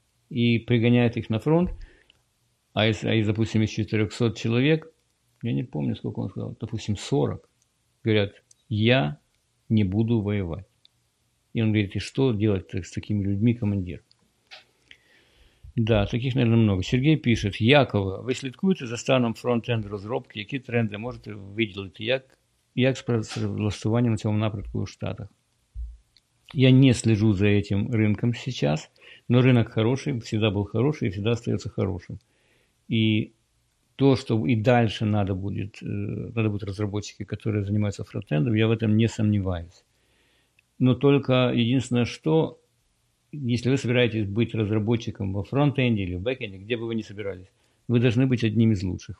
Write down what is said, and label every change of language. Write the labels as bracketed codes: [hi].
[ru] И пригоняют их на фронт, а из, допустим, из 400 человек, я не помню, сколько он сказал, допустим, 40, говорят, я не буду воевать. И он говорит, и что делать с такими людьми, командир? Да, таких, наверное, много. Сергей пишет, [uk] Якова, ви слідкуєте за станом фронт-енду розробки, які тренди можете виділити, як з працевлаштуванням на цьому напрямку у Штатах? [ru] Я не слежу за этим рынком сейчас, но рынок хороший, всегда был хороший и всегда остается хорошим. И то, что и дальше надо будет разработчики, которые занимаются фронтендом, я в этом не сомневаюсь. Но только единственное, что если вы собираетесь быть разработчиком во фронтенде или в бэкенде, где бы вы ни собирались, вы должны быть одним из лучших.